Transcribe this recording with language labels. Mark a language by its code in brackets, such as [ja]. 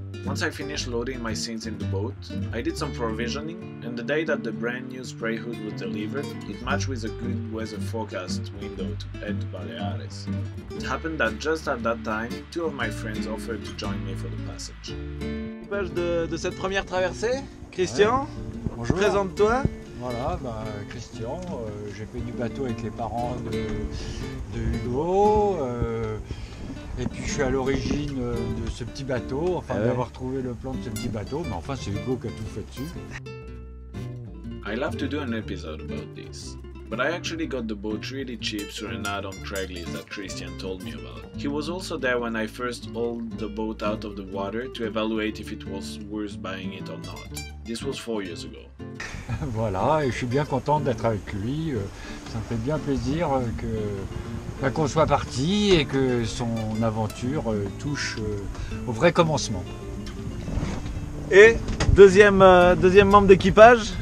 [en] Once I finished loading my scenes in the boat, I did some provisioning, and the day that the brand new spray hood was delivered, it matched with a good weather forecast window to head to Baleares. It happened that just at that time, two of my friends offered to join me for the passage. [fr] Page de cette première traversée, Christian, ouais. Bonjour. Présente-toi. Voilà, bah, Christian, j'ai fait du bateau avec les parents de Hugo, et puis je suis à l'origine de ce petit bateau, enfin d'avoir trouvé le plan de ce petit bateau, mais enfin c'est Hugo qui a tout fait dessus. [en] I love to do an episode about this, but I actually got the boat really cheap through an ad on Craigslist that Christian told me about. He was also there when I first hauled the boat out of the water to evaluate if it was worth buying it or not. This was 4 years ago. [fr] Voilà, et je suis bien content d'être avec lui. Ça me fait bien plaisir que, bah, qu'on soit parti et que son aventure touche au vrai commencement. Et deuxième membre d'équipage,